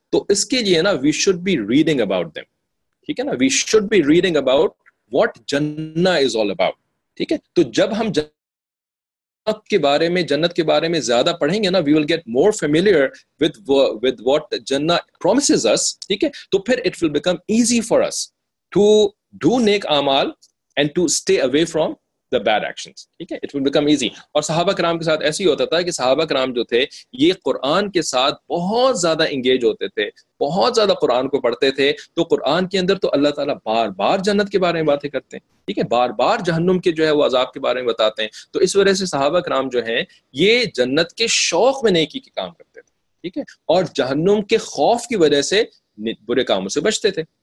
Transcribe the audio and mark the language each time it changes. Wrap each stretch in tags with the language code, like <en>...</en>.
<ur>تو اس کے لیے نا</ur> <en>we should be reading about them,</en> <ur>ٹھیک ہے نا,</ur> <en>we should be reading about what جنہ is all about,</en> <ur>ٹھیک ہے. تو جب ہم جنت کے بارے میں زیادہ پڑھیں گے نا,</ur> <en>we will get more familiar with what جنہ promises us,</en> <ur>ٹھیک ہے. تو پھر</ur> <en>it will become easy for us to do</en> <ur>نیک اعمال</ur> <en>and to stay away from the bad actions, okay, it will become easy.</en> <ur>اور صحابہ کرام کے ساتھ ایسے ہی ہوتا تھا کہ صحابہ کرام جو تھے یہ قرآن کے ساتھ بہت زیادہ انگیج ہوتے تھے, بہت زیادہ قرآن کو پڑھتے تھے. تو قرآن کے اندر تو اللہ تعالیٰ بار بار جنت کے بارے میں باتیں کرتے ہیں, ٹھیک ہے, بار بار جہنم کے جو ہے وہ عذاب کے بارے میں بتاتے ہیں. تو اس وجہ سے صحابہ کرام جو ہیں یہ جنت کے شوق میں نیکی کے کام کرتے تھے, ٹھیک ہے, اور جہنم کے خوف کی وجہ سے برے کاموں سے بچتے تھے.</ur>